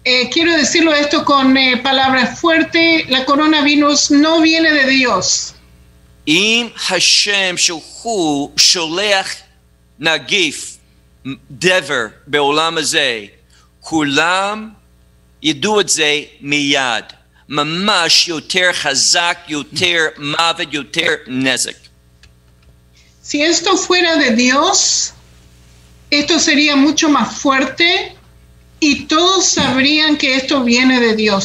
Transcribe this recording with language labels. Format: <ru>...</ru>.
<es>Quiero decirlo esto con palabras fuertes, la coronavirus no viene de Dios.</es> <he>אם השם שהוא שולח נגיף דבר בעולם הזה, כולם ידעו את זה מיד, ממש יותר חזק, יותר מוות, יותר נזק.</he> <es>Si esto fuera de Dios, esto sería mucho más fuerte y todos sabrían que esto viene de Dios.</es>